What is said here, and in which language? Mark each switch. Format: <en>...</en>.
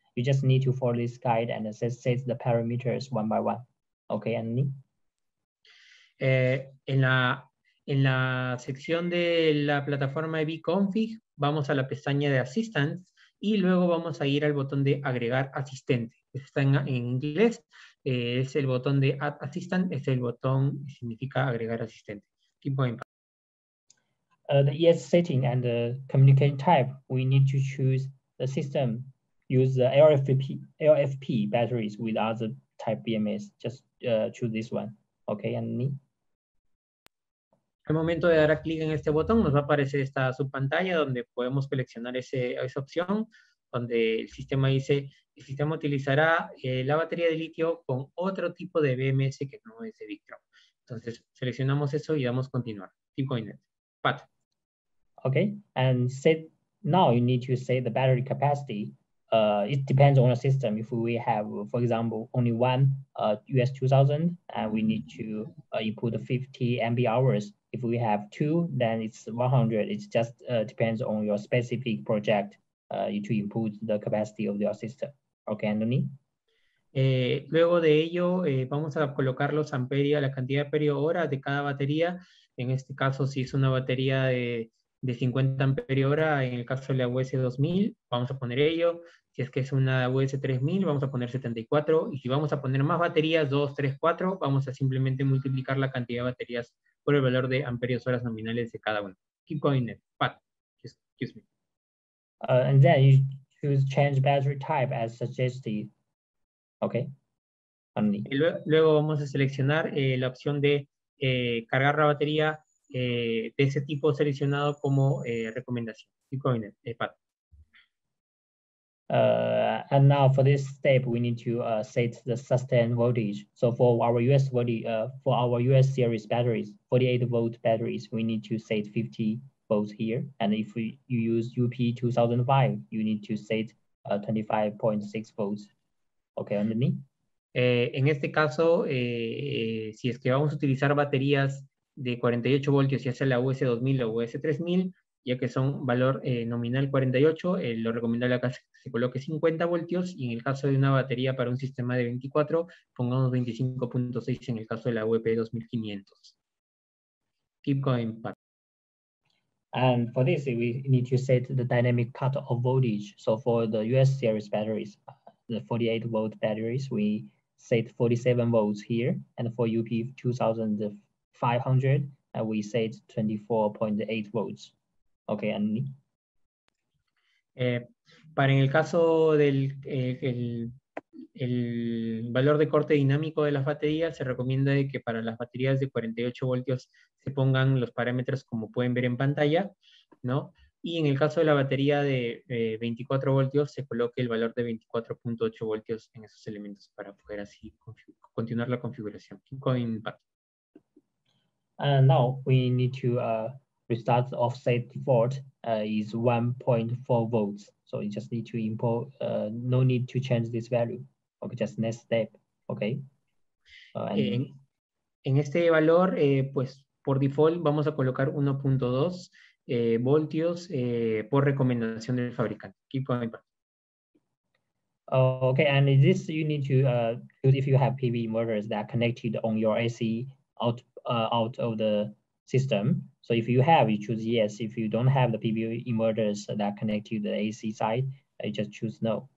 <en>You just need to follow this guide and set the parameters one by one. Okay, Annie?</en> <es>En la sección de la plataforma de vConfig, vamos a la pestaña de Assistance y luego vamos a ir al botón de agregar asistente. Está en inglés, es el botón de Add Assistant, es el botón que significa agregar asistente.</es> <en>Keep going. The ES setting and the communication type, we need to choose the system. Use the LFP batteries with other type BMS. Just choose this one. Okay, and me.</en> <es>Al momento de dar clic en este botón, nos va a aparecer esta subpantalla donde podemos seleccionar esa opción, donde el sistema dice, el sistema utilizará la batería de litio con otro tipo de BMS que no es de Victron. Entonces, seleccionamos eso y damos continuar. Pat.</es> <en>Okay, and now you need to set the battery capacity. It depends on the system. If we have, for example, only one US 2000, and we need to input 50 mAh hours. If we have two, then it's 100. It just depends on your specific project to improve the capacity of your system. Okay, Anthony?</en> <es>Luego de ello, vamos a colocar los amperios, la cantidad de amperios hora de cada batería. En este caso, si es una batería de 50 amperios hora, en el caso de la US 2000, vamos a poner ello. Si es que es una US 3000, vamos a poner 74. Y si vamos a poner más baterías, 2, 3, 4, vamos a simplemente multiplicar la cantidad de baterías por el valor de amperios horas nominales de cada uno.</es> <en>Keep going, Ned. Pat, excuse me. And then you choose change battery type as suggested. Okay.</en> <es>Luego vamos a seleccionar la opción de cargar la batería de ese tipo seleccionado como recomendación.</es> <en>Keep going, Ned. Pat. And now for this step, we need to set the sustained voltage. So for our US body, for our US series batteries, 48 volt batteries, we need to set 50 volts here. And if you use UP2005, you need to set 25.6 volts. Okay, Anthony?</en> <es>En este caso, si es que vamos a utilizar baterías de 48 voltios, ya sea la US 2000 o US 3000. Ya que son valor nominal 48, lo recomendable acá es que se coloque 50 voltios, y en el caso de una batería para un sistema de 24, pongamos 25.6 en el caso de la UP 2500.</es> <en>keep going. But... And for this, we need to set the dynamic cutoff voltage. So for the US series batteries, the 48 volt batteries, we set 47 volts here. And for UP2500, we set 24.8 volts. Okay, Andy. Para en el caso del el valor de corte dinámico de las baterías, se recomienda de que para las baterías de 48 voltios se pongan los parámetros como pueden ver en pantalla, ¿no? Y en el caso de la batería de 24 voltios, se coloque el valor de 24.8 voltios en esos elementos para poder así continuar la configuración. Now we need to restart offset fault is 1.4 volts. So you just need to import, no need to change this value. Okay, just next step, okay?</en> <es>En este valor, pues por default vamos a colocar 1.2 voltios por recomendación del fabricante.</es> <en>Keep going. Okay, and this you need to use if you have PV inverters that are connected on your AC out of the system. So if you have, you choose yes. If you don't have the PV inverters that are connected to the AC side, you just choose no.</en>